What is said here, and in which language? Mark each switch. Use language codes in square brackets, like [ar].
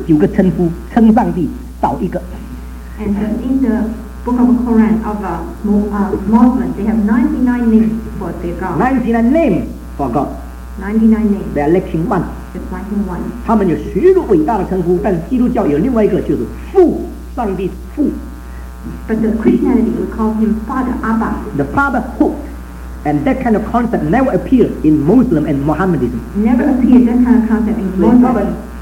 [zh] 回教《可兰经》的第一本里面有99个称呼，称上帝少一个。 [en] And in the Book of Quran of Muslim, they have 99 names for their God. 99 names for God. 99 names. They are lacking one. Just one. [zh] 他们有许多伟大的称呼，但基督教有另外一个，就是父，上帝父。 [en] But the Christianity we call him Father Abba. The fatherhood, and that kind of concept never appeared in Muslim and Mohammedism. Never appeared that kind of concept in Muslim.